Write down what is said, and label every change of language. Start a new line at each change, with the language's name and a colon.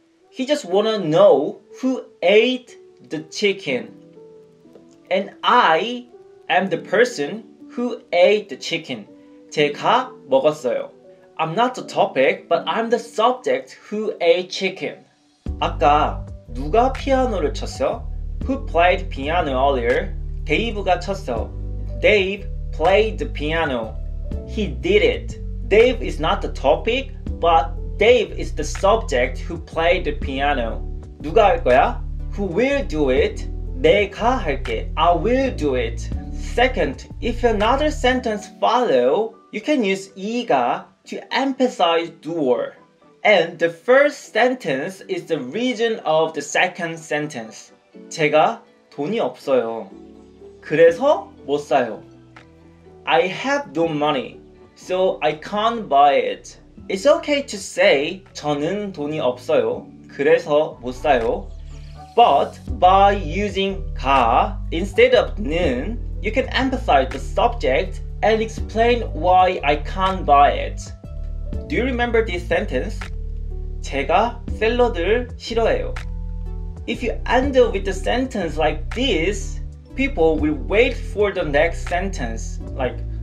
English: He just wanna know who ate the chicken. And I am the person who ate the chicken.
Korean: 제가 먹었어요.
English: I'm not the topic, but I'm the subject who ate chicken.
Korean: 아까 누가 피아노를 쳤어?
English: Who played piano earlier?
Korean: 데이브가 쳤어.
English: Dave played the piano. He did it. Dave is not the topic, but Dave is the subject who played the piano.
Korean: 누가 할 거야?
English: Who will do it?
Korean: 내가 할게.
English: I will do it. Second, if another sentence follows, you can use 이가 to emphasize 도어. And the first sentence is the reason of the second sentence.
Korean: 제가 돈이 없어요. 그래서 못 사요.
English: I have no money, so I can't buy it. It's okay to say
Korean: 저는 돈이 없어요, 그래서 못 사요.
English: But by using 가 instead of 는, you can emphasize the subject and explain why I can't buy it. Do you remember this sentence?
Korean: 제가 샐러드를 싫어해요.
English: If you end with a sentence like this, people will wait for the next sentence, like,